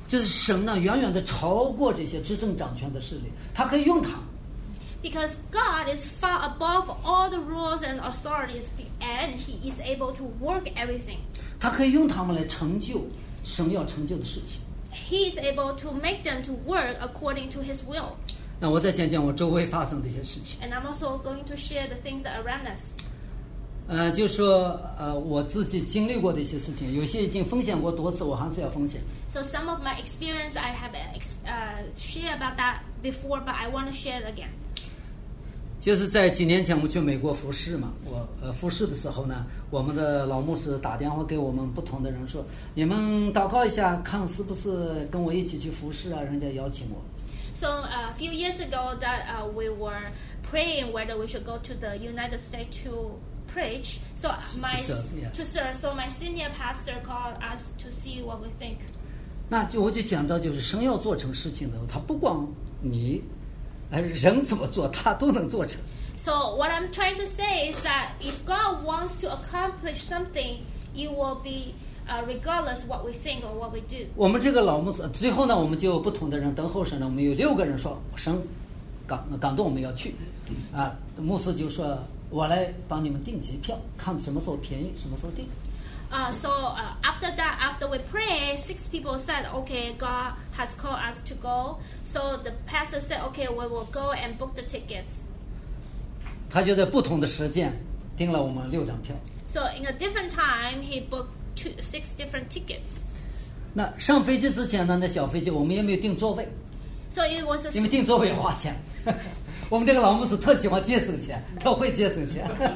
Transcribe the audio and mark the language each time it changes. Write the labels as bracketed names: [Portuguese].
[Chinese] 就是神呢，远远的超过这些执政掌权的势力，他可以用他。 [English] Because God is far above all the rules and authorities, and He is able to work everything. [Chinese] 他可以用他们来成就神要成就的事情。 [English] He is able to make them to work according to His will. [Chinese] 那我再讲讲我周围发生的一些事情。 [English] And I'm also going to share the things that around us. [Chinese] 就说我自己经历过的一些事情，有些已经分享过多次，我还是要分享。 [English] So some of my experience I have shared about that before, but I want to share it again. [Chinese] 就是在几年前我去美国服侍嘛，我服侍的时候呢，我们的老牧师打电话给我们不同的人说，你们祷告一下，看是不是跟我一起去服侍啊？人家邀请我。 [English] So a few years ago that we were praying whether we should go to the United States to preach. So to serve. So my senior pastor called us to see what we think. [Chinese] 那就我就讲到就是神要做成事情的时候，他不光你，人怎么做他都能做成。 [English] So what I'm trying to say is that if God wants to accomplish something, it will be. Regardless what we think or what we do. [Chinese] 我们这个老牧师最后呢，我们就不同的人等候神呢，我们有六个人说神感动我们要去，牧师就说我来帮你们订机票，看什么时候便宜，什么时候订。 [English] After we pray, six people said, "Okay, God has called us to go." So the pastor said, "Okay, we will go and book the tickets." [Chinese] 他就在不同的时间订了我们六张票。 [English] So in a different time, he booked six different tickets. [Chinese] 那上飞机之前呢，那小飞机我们也没有订座位。 [English] So it was. [Chinese] 因为订座位要花钱。我们这个老牧师特喜欢节省钱，特会节省钱。